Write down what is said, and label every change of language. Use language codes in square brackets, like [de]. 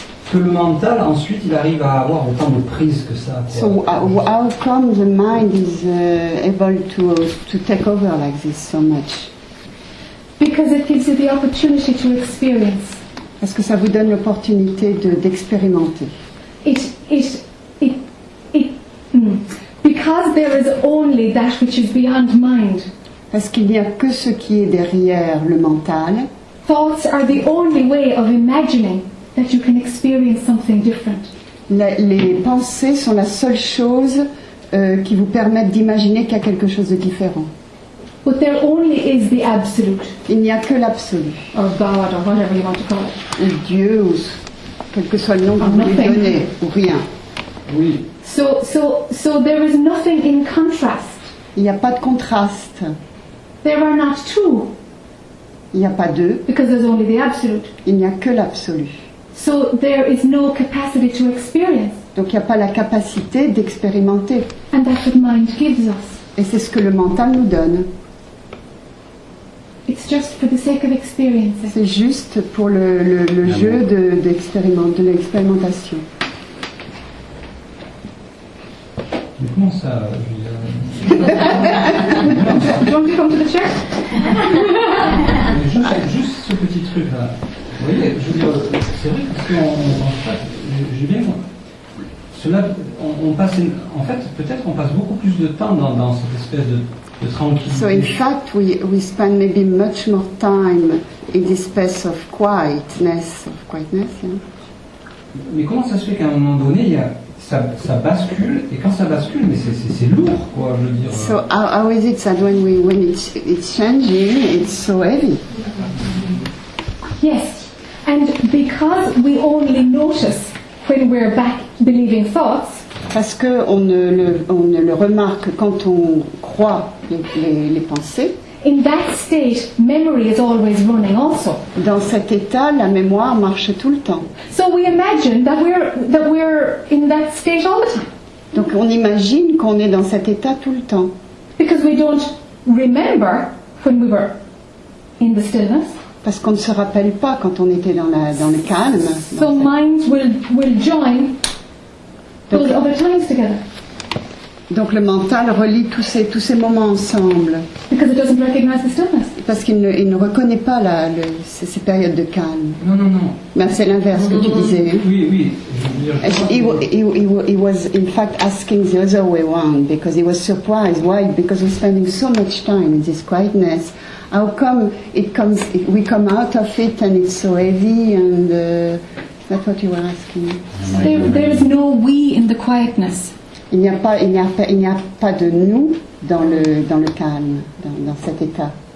[fr] Que le mental ensuite il arrive à avoir autant de prise que ça. [en] How come the mind is able to take over like this so much? Because it gives you the opportunity to experience. [fr] Parce que ça vous donne l'opportunité d'expérimenter. [en] Because there is only that which is beyond mind. [fr] Parce qu'il n'y a que ce qui est derrière le mental. [en] thoughts are the only way of imagining that you can experience something different. [fr] Les pensées sont la seule chose qui vous permettent d'imaginer qu'il y a quelque chose de différent. [en] But there only is the absolute. [fr] Il n'y a que l'absolu. [en] Or God, or whatever you want to call it. [fr] Et Dieu, ou quel que soit le nom que vous lui donnez, ou rien. Oui. [en] So there is nothing in contrast. [fr] Il n'y a pas de contraste. [en] There are not two. [fr] Il n'y a pas deux. [en] Because there's only the absolute. [fr] Il n'y a que l'absolu. [en] So there is no capacity to experience. [fr] Donc il n'y a pas la capacité d'expérimenter. [en] And that's what mind gives us. [fr] Et c'est ce que le mental nous donne. [en] It's just for the sake of experience. [fr] C'est juste pour le jeu de l'expérimentation. Mais comment ça, Julia? [en] Do you want to come to the chair? [fr] juste ce petit truc là. Vous voyez, je veux dire, c'est vrai que peut-être on passe beaucoup plus de temps dans cette espèce de tranquillité. [en] So in fact, we spend maybe much more time in this space of quietness. Yeah. [fr] Mais comment ça se fait qu'à un moment donné, ça bascule, et quand ça bascule, mais c'est lourd, quoi, je veux dire. [en] So how is it that when it's changing, it's so heavy? Yes. And because we only notice when we're back believing thoughts, [fr] parce que on ne le remarque quand on croit les pensées, [en] in that state, memory is always running also. [fr] Dans cet état, la mémoire marche tout le temps. [en] So we imagine that we're in that state all the time. [fr] Donc on imagine qu'on est dans cet état tout le temps. [en] Because we don't remember when we were in the stillness. [fr] Parce qu'on ne se rappelle pas quand on était dans le calme. [en] So [fr] dans [en] minds will join those other times together. [fr] Donc le mental relie tous ces moments ensemble. Because it doesn't recognize the stillness. Parce qu'il ne reconnaît pas ces périodes de calme. Non. Mais c'est l'inverse que tu disais. Oui. [en] He was in fact asking the other way around because he was surprised. Why? Because we're spending so much time in this quietness. How come we come out of it and it's so heavy and that's what you were asking. There is no we in the quietness. [fr] Il n'y a pas de nous dans le calme, dans cet état.